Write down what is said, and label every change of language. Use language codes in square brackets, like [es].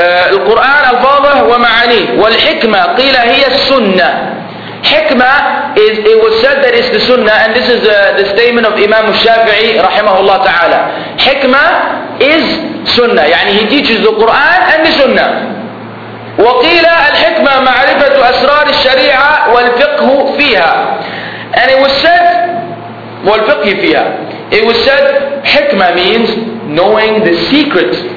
[ar] القرآن ألفاظه ومعانيه. والحكمة قيل هي السنة. [en] Hikmah is, it was said that it's the Sunnah, and this is the statement of Imam Shafi'i rahimahullah ta'ala. Hikmah is Sunnah, يعني he teaches the Quran and the Sunnah. [ar] وقيل الحكمة معرفة أسرار الشريعة والفقه فيها. [en] And it was said, [ar] والفقه فيها. [en] It was said, Hikmah means knowing the secret.